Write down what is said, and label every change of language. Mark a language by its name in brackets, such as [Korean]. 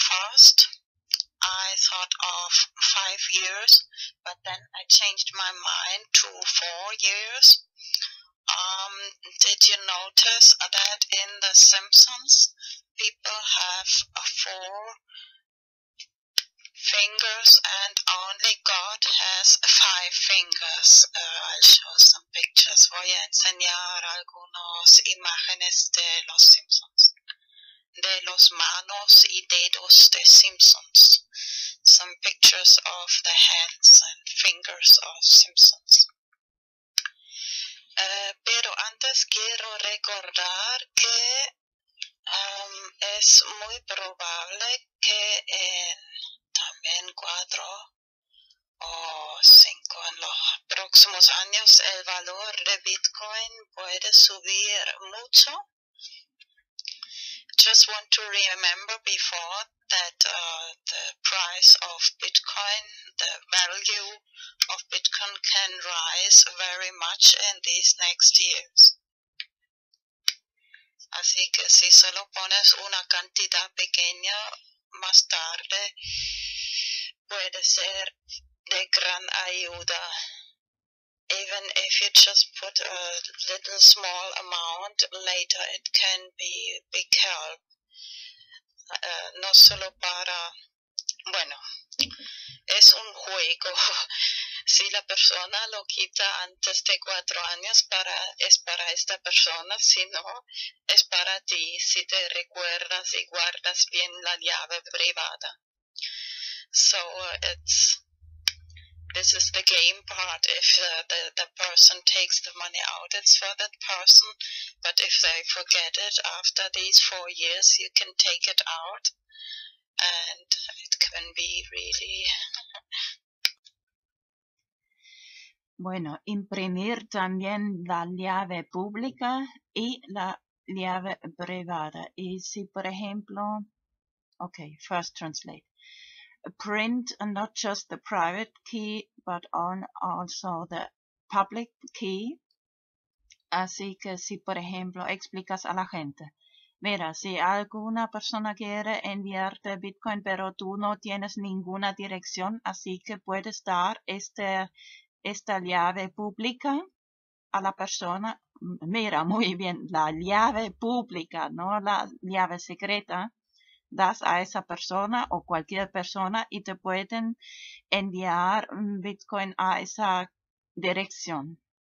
[English] First, I thought of 5 years, but then I changed my mind to 4 years. Did you notice that in the Simpsons, people have 4 fingers and only God has 5 fingers. I'll show some pictures. [Spanish] Voy a enseñar algunas imágenes de los Simpsons. De los manos y dedos de Simpsons. [English] Some pictures of the hands and fingers of Simpsons. [Spanish] Pero antes quiero recordar que es muy probable que en también 4 o 5 en los próximos años el valor de Bitcoin puede subir mucho. [English] Just want to remember before that the price of Bitcoin, the value of Bitcoin can rise very much in these next years. [Spanish] Así que si solo pones una cantidad pequeña más tarde, puede ser de gran ayuda. [English] Even if you just put a little small amount, later it can be big help. [Spanish] No solo para, bueno, es un juego. Si la persona lo quita antes de 4 años, para, es para esta persona. Si no, es para ti, si te recuerdas y guardas bien la llave privada. [English] So it's, this is the game part. If the person takes the money out, it's for that person. But if they forget it after these 4 years, you can take it out. And it can be really... [Spanish] Bueno, imprimir también la llave pública y la llave privada. Y si, por ejemplo, [English] okay, first translate. Print not just the private key, but on also the public key. [Spanish] Así que si, por ejemplo, explicas a la gente. Mira, si alguna persona quiere enviarte Bitcoin, pero tú no tienes ninguna dirección, así que puedes dar este... esta llave pública a la persona, mira muy bien, la llave pública, no la llave secreta, das a esa persona o cualquier persona y te pueden enviar Bitcoin a esa dirección.